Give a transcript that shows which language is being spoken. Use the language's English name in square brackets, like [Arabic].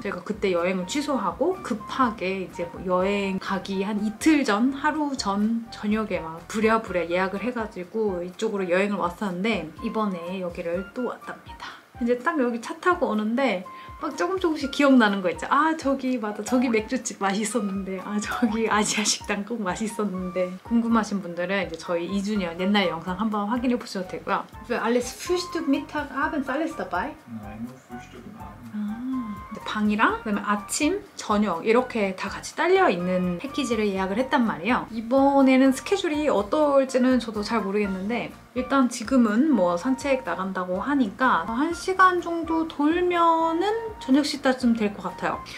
[Korean] 제가 그때 여행을 취소하고 급하게 이제 뭐 여행 가기 한 이틀 전, 하루 전 저녁에 막 부랴부랴 예약을 해가지고 이쪽으로 여행을 왔었는데 이번에 여기를 또 왔답니다. 이제 딱 여기 차 타고 오는데 막 조금 조금씩 기억나는 거 있죠. 아 저기 맞아, 저기 맥주집 맛있었는데, 아 저기 아시아 식당 꼭 맛있었는데. 궁금하신 분들은 이제 저희 2주년 옛날 영상 한번 확인해 보셔도 되고요. [German] Für alles Frühstück, Mittag, Abend alles dabei? Nein, nur Frühstück. [Korean] 아, 방이랑 그다음에 아침, 저녁 이렇게 다 같이 딸려 있는 패키지를 예약을 했단 말이에요. 이번에는 스케줄이 어떨지는 저도 잘 모르겠는데 일단 지금은 뭐 산책 나간다고 하니까 한 시간 정도 돌면은 저녁 식사쯤 될 것 같아요.